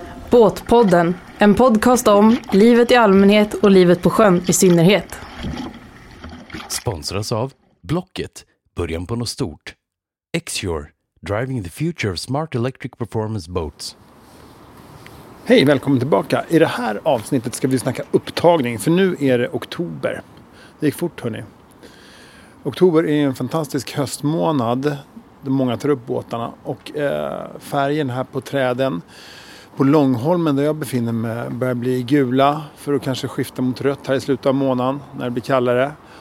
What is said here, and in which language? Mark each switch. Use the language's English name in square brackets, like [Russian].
[Swedish] Båtpodden, en podcast om livet i allmänhet och livet på sjön i synnerhet. Sponsras av Blocket, början på något stort. [English] Xure, driving the future of smart electric performance boats. [Swedish] Hej, välkommen tillbaka. I det här avsnittet ska vi snacka upptagning, för nu är det oktober. Det gick fort, hörni. Oktober är en fantastisk höstmånad. Många tar upp båtarna och färgen här på träden på Långholmen där jag befinner mig börjar bli gula för att kanske skifta mot rött här i slutet av månaden när det blir kallare.